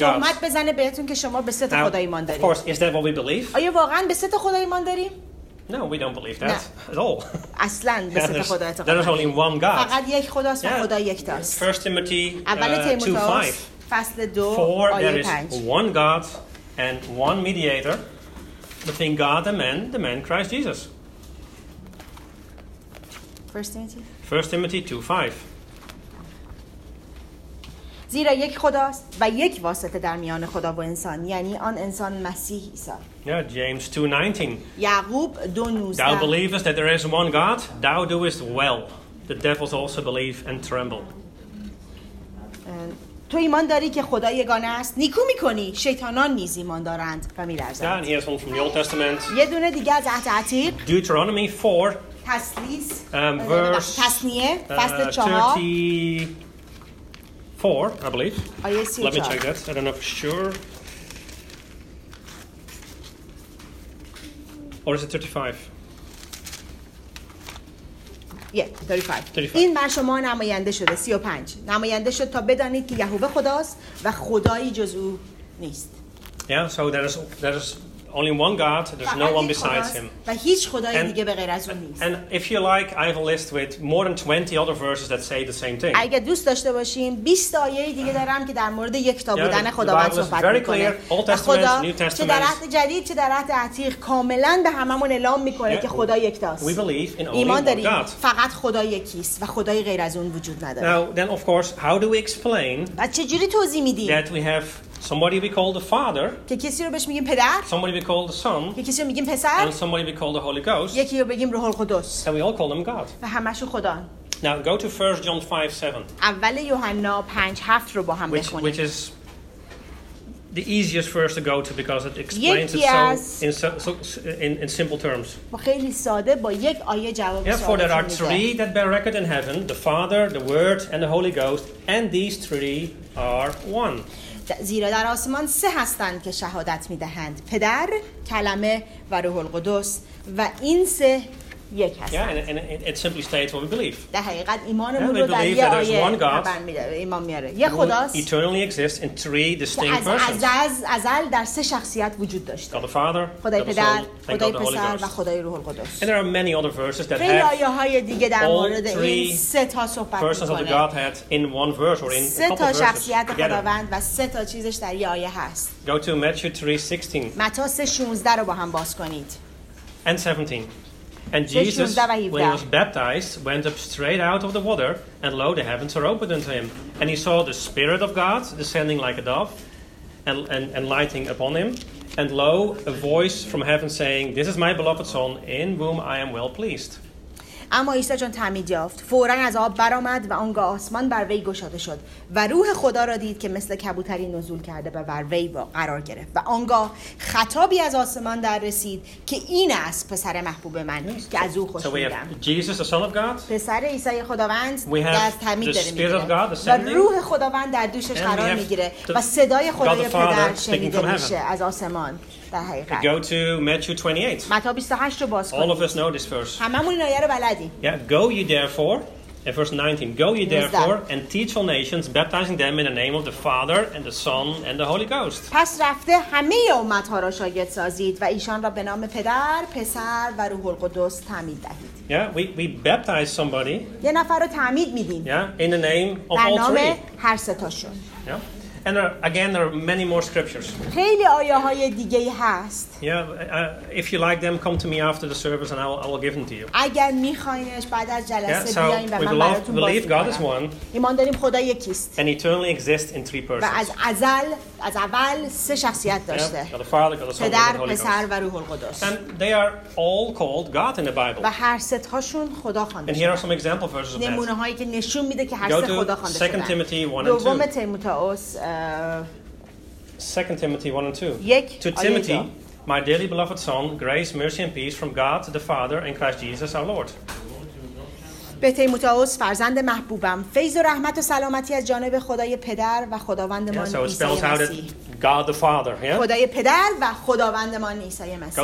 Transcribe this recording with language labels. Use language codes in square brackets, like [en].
[fa] تهمت بزنه بهتون که شما به سه تا خدا ایمان دارید. [en] Of course, is that what we believe? [fa] آیا واقعا به سه تا خدا ایمان داریم؟ [en] No, we don't believe that at all. [fa] اصلا به سه تا خدا اعتقاد نداریم. [en] There is only one God. [fa] فقط یک خداست و خدا یکتاست. [en] 1 Timothy 2:5. [fa] فصل 2 آیه 5. [en] For there is one God and one mediator between God and man, the man Christ Jesus. 1 Timothy 2:5. [fa] زیرا یک خداست و یک واسطه در میان خدا و انسان، یعنی آن انسان مسیح عیسی. [en] Yeah, James 2:19. [fa] یعقوب 2:19. [en] Thou believest that there is one God, thou doest well. The devils also believe and tremble. [fa] تو ایمان داری که خدا یگانه است، نیکو میکنی، شیطانان نیز ایمان دارند و میلرزند. [en] Then here's one from the Old Testament. [fa] یه دونه دیگه از عهد عتیق. [en] Deuteronomy 4. [fa] تسلیس. [en] Verse. [fa] تسنیه. فصل 4. [en] 34, I believe. [fa] آیه 34. [en] Let me check that. I don't know for sure. Or is it 35? [fa] Yeah, 35. این بر شما نماینده شده، 35. نماینده شد تا بدانید که یهوه خداست و خدایی جز او نیست. [en] Yeah, so there is only one God, there's no one besides him. [fa] و هیچ خدای دیگه به غیر از او نیست. [en] And if you like, I have a list with more than 20 other verses that say the same thing. [fa] اگه دوست داشته باشیم 20 آیه دیگه دارم که در مورد یکتا بودن خداوند صحبت می‌کنه. [en] Very clear. Old Testament, New Testament. [fa] چه در عهد جدید چه در عهد عتیق کاملا به هممون اعلام می‌کنه که خدا یکتاست. [en] We believe in only one God. [fa] فقط خدای یکیست و خدای غیر از اون وجود نداره. [en] Now, then of course, how do we explain that we have somebody we call the Father. [fa] که کسی رو بهش میگیم پدر. [en] Somebody we call the Son. [fa] که کسی رو میگیم پسر. [en] And somebody we call the Holy Ghost. [fa] یکی رو بگیم روح القدس. [en] And we all call them God. [fa] و همه‌شون خدا. [en] Now go to 1 John 5:7. [fa] اول یوحنا 5:7 رو با هم بخونیم. [en] Which is the easiest verse to go to because it explains it so in simple terms. [fa] خیلی ساده با یک آیه جواب میده. [en] Therefore there are three that bear record in heaven: the Father, the Word, and the Holy Ghost. And these three are one. [fa] زیرا در آسمان سه هستند که شهادت می‌دهند، پدر، کلمه و روح القدس، و این سه یک هستند. [en] Yeah, and it simply states what we believe. [fa] در حقیقت ایمانمون رو در یه آیه بیان می‌کنه، ایمان میاره. یه خداست. [en] Eternally exists in three distinct persons. [fa] از ازل در سه شخصیت وجود داشته. [en] God the Father, [fa] خدای پدر، خدای پسر و خدای روح القدس. [en] And there are many other verses that [fa] خیلی آیه‌های دیگه در مورد این سه تا صحبت می‌کنه. [en] Persons of the Godhead in one verse or in a couple verses. [fa] سه تا شخصیت خداوند و سه تا چیزش در یه آیه هست. [en] Go to Matthew 3:16. [fa] متی 3:16 رو با هم باز کنید. [en] And 17. And Jesus, when he was baptized, went up straight out of the water, and lo, the heavens were opened unto him. And he saw the Spirit of God descending like a dove, and lighting upon him. And lo, a voice from heaven saying, This is my beloved Son, in whom I am well pleased. [fa] اما عیسی چون تعمید یافت فوراً از آب برآمد و آنگاه آسمان بر وی گشاده شد و روح خدا را دید که مثل کبوتری نزول کرده و بر وی قرار گرفت و آنگاه خطابی از آسمان در رسید که این است پسر محبوب من که از او خوش می‌دارم. پسر عیسی خداوند در تعمید داره می‌گیره و روح خداوند در دوشش قرار می‌گیره و صدای خدای پدر شنیده میشه از آسمان. [en] Go to Matthew 28. [fa] متی 28 رو باز کنید. [en] All of us know this verse. [fa] هممون این آیه رو بلدیم. [en] Yeah, go ye therefore, in verse 19, go ye therefore and teach all nations, baptizing them in the name of the Father and the Son and the Holy Ghost. [fa] پس رفته همه امت‌ها را شاگرد سازید و ایشان را به نام پدر، پسر و روح القدس تعمید دهید. [en] Yeah, we baptize somebody. [fa] یه نفر رو تعمید میدیم. [en] Yeah, in the name of all three. [fa] در نام هر سه تاشون. [en] Yeah. And again, there are many more scriptures. [fa] خیلی آیه‌های دیگه‌ای هست. [en] Yeah, if you like them, come to me after the service, and I will give them to you. [fa] اگر می‌خوایدش بعد از جلسه بیاین و من براتون بازی کنم. [en] Yeah, so we believe God is one. [fa] ایمان داریم خدا یکیست. [en] And eternally exists in three persons. [fa] و از ازل، از اول سه شخصیت داشته. [en] Yeah, God the Father, God the Son, and the Holy Ghost. [fa] پدر، پسر و روح القدس. [en] And they are all called God in the Bible. [fa] و هر سه تاشون خدا خوانده شده. [en] And here are some example verses of that. [fa] نمونه‌هایی که نشون میده که هر سه خدا خوانده شده. [en] Go to 2 Timothy 1 and 2. [fa] دوم تیموتائوس [en] 2 Timothy 1 and 2. To Timothy, my dearly beloved son, grace, mercy and peace from God the Father and Christ Jesus our Lord. [fa] به تیموتائوس فرزند محبوبم فیض و رحمت و سلامتی از جانب خدای پدر و خداوندمان عیسی مسیح. [en] God the Father, yeah? [fa] خدای پدر و خداوندمان عیسی مسیح.